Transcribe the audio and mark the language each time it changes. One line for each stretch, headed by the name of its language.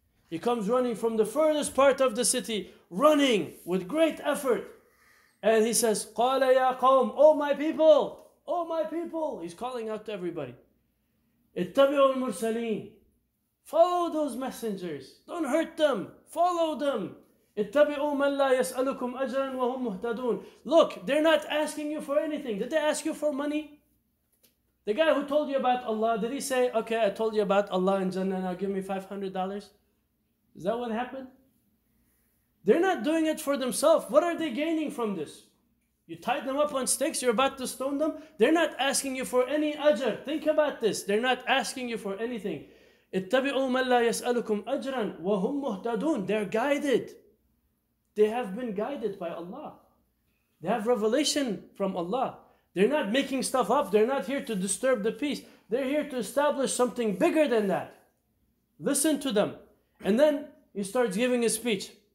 English: He comes running from the furthest part of the city, running with great effort. And he says,
Arabic: قَالَ يَا قَوْمُ,
English: oh my people! Oh my people, he's calling out to everybody.
Arabic: اتبعوا المرسلين,
English: follow those messengers. Don't hurt them. Follow them.
Arabic: اتبعوا من لا يسألكم أجرا وهم مهتدون.
English: Look, they're not asking you for anything. Did they ask you for money? The guy who told you about Allah, did he say, okay, I told you about Allah in Jannah, now give me $500? Is that what happened? They're not doing it for themselves. What are they gaining from this? You tied them up on stakes, you're about to stone them. They're not asking you for any ajr. Think about this. They're not asking you for anything.
Arabic: اتبعوا من لا يسألكم أجرا وهم مهتدون.
English: They're guided. They have been guided by Allah. They have revelation from Allah. They're not making stuff up. They're not here to disturb the peace. They're here to establish something bigger than that. Listen to them. And then he starts giving a speech.